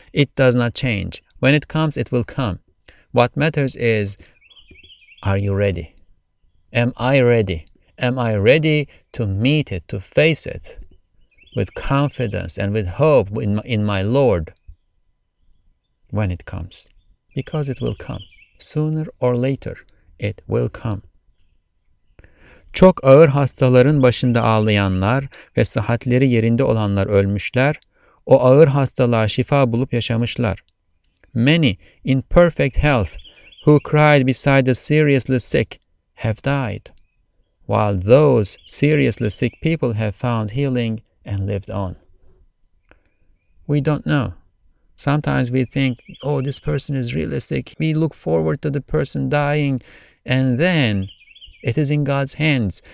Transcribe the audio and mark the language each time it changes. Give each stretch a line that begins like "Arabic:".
English: It does not change. When it comes, it will come. What matters is, are you ready? Am I ready? Am I ready to meet it, to face it? With confidence and with hope in my Lord when it comes. Because it will come. Sooner or later it will come.
Turkish: Çok ağır hastaların başında ağlayanlar ve sıhhatleri yerinde olanlar ölmüşler. O ağır hastalığa şifa bulup yaşamışlar.
English: Many in perfect health who cried beside the seriously sick have died. While those seriously sick people have found healing and lived on. We don't know. Sometimes we think, oh, this person is really sick. We look forward to the person dying, and then it is in God's hands.